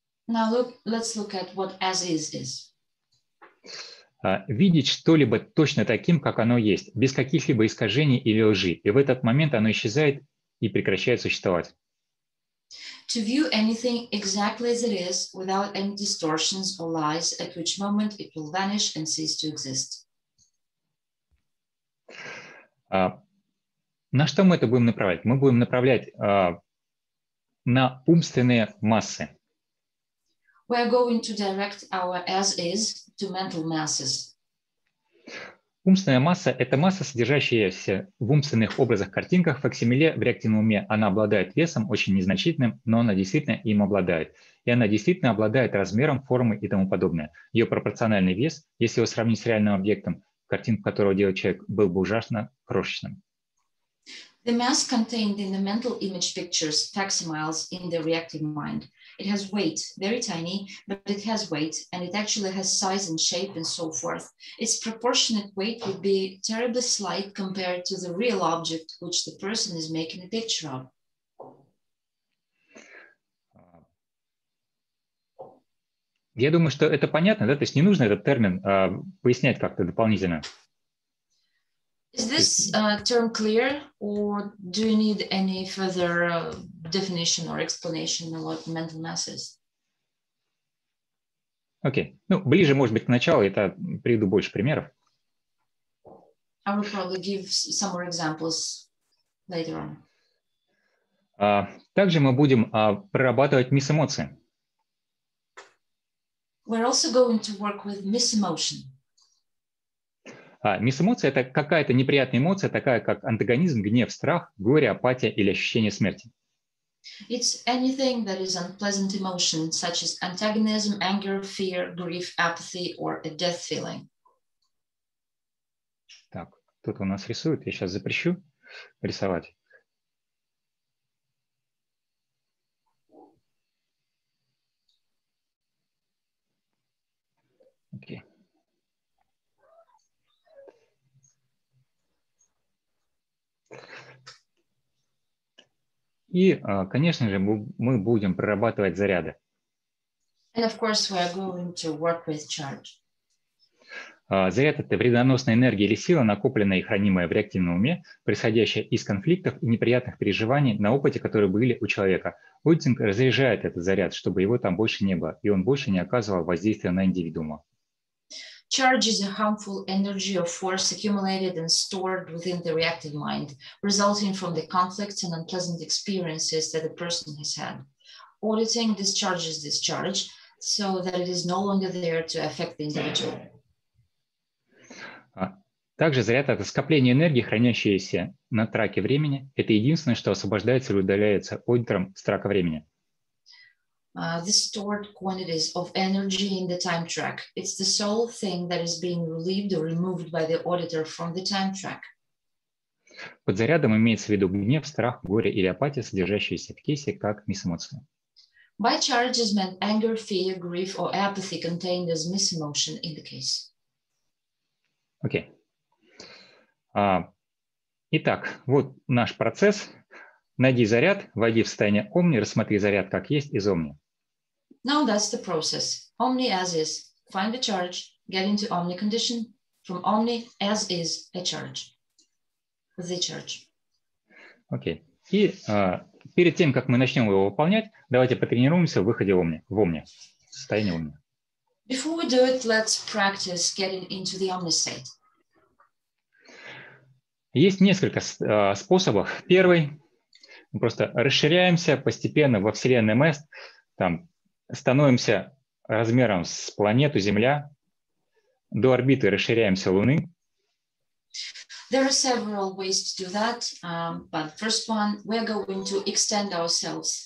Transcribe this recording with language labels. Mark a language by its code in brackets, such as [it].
[en] Now let's look at what as is is. [ru] Видеть что-либо точно таким, как оно есть, без каких-либо искажений или лжи. И в этот момент оно исчезает и прекращает существовать. [en] To view anything exactly as it is, without any distortions or lies, at which moment it will vanish and cease to exist. [ru] На что мы это будем направлять? Мы будем направлять на умственные массы. [en] We are going to direct our as-is to mental masses. [ru] Умственная масса – это масса, содержащаяся в умственных образах, картинках, факсимиле, в реактивном уме. Она обладает весом, очень незначительным, но она действительно им обладает. И она действительно обладает размером, формой и тому подобное. Ее пропорциональный вес, если его сравнить с реальным объектом, картинку которого делает человек, был бы ужасно крошечным. [en] The mass contained in the mental image pictures, facsimiles, in the reactive mind – It has weight, very tiny, but it has weight, and it actually has size and shape and so forth. Its proportionate weight would be terribly slight compared to the real object which the person is making a picture of. [ru] Я думаю, что это понятно, да? То есть не нужно этот термин пояснять как-то дополнительно. [en] Is this term clear, or do you need any further definition or explanation about mental masses? [ru] Окей. Ну, ближе, может быть, к началу, я приведу больше примеров. [en] I will probably give some more examples later on. [ru] Также мы будем прорабатывать мисэмоции. [en] We're also going to work with misemotion. [ru] Мисэмоция – это какая-то неприятная эмоция, такая как антагонизм, гнев, страх, горе, апатия или ощущение смерти. [en] It's anything that is unpleasant emotion, such as antagonism, anger, fear, grief, apathy, or a death feeling. [ru] Так, кто-то у нас рисует, я сейчас запрещу рисовать. И, конечно же, мы будем прорабатывать заряды. [en] And of course we are going to work with charge. [ru] Заряд – это вредоносная энергия или сила, накопленная и хранимая в реактивном уме, происходящая из конфликтов и неприятных переживаний на опыте, которые были у человека. Ульцинг разряжает этот заряд, чтобы его там больше не было, и он больше не оказывал воздействия на индивидуума. [en] Charge is a harmful energy or force accumulated and stored within the reactive mind, resulting from the conflicts and unpleasant experiences that a person has had. Auditing discharges this charge so that it is no longer there to affect the individual. [ru] Также заряд – это скопление энергии, хранящееся на траке времени. Это единственное, что освобождается или удаляется аудитором с трака времени. [en] The stored quantities of energy in the time track. It's the sole thing that is being relieved or removed by the auditor from the time track. [ru] Под зарядом имеется в виду гнев, страх, горе или апатия, содержащиеся в кейсе как мисэмоция. [en] By charge is meant anger, fear, grief or apathy contained as misemotion in the case. [ru] Окей. Итак, вот наш процесс. Найди заряд, войди в состояние омни, рассмотри заряд как есть из омни. [en] Now that's the process. Omni as is. Find the charge. Get into omni condition. From omni as is a charge. The charge. [ru] Окей. Okay. Перед тем, как мы начнем его выполнять, давайте потренируемся в выходе в омни. В состоянии омни. [en] Before we do it, let's practice getting into the omni state. [ru] Есть несколько способов. Первый. Мы просто расширяемся постепенно во вселенной МЭС. Там становимся размером с планету Земля, до орбиты расширяемся Луны. [en] There are several ways to do that, but first one, we're going to extend ourselves.